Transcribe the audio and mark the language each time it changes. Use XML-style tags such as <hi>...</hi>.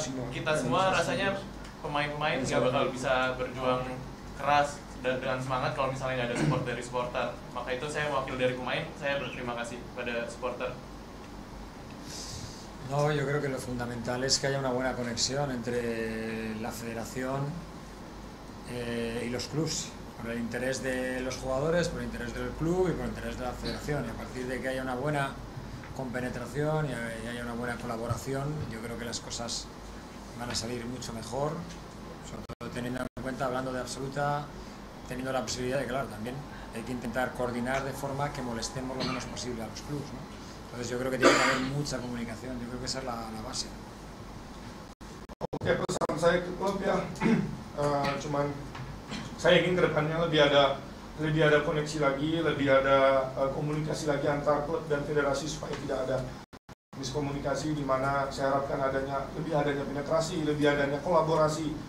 <id>Kita semua rasanya pemain-pemain nggak bakal bisa berjuang keras dengan semangat kalau misalnya nggak ada support dari supporter. Maka itu saya wakil dari pemain, saya berterima kasih pada supporter.</id> <es>No, yo creo que lo fundamental es que haya una buena conexión entre la federación y los clubs, por el interés de los jugadores, por el interés del club y por el interés de la federación. Y a partir de que haya una buena compenetración y haya una buena colaboración, yo creo que las cosas van a salir mucho mejor, sobre todo teniendo en cuenta, hablando de absoluta, teniendo la posibilidad de, claro, también hay que intentar coordinar de forma que molestemos lo menos posible a los clubs, ¿no? Entonces yo creo que tiene que haber mucha comunicación, yo creo que esa es la base.</es> <id>Oke, pesan saya ke klub ya, cuman saya ingin kedepannya lebih ada koneksi lagi, lebih ada komunikasi lagi antar klub dan federasi supaya tidak ada miskomunikasi, di mana saya harapkan lebih adanya penetrasi, lebih adanya kolaborasi.</id>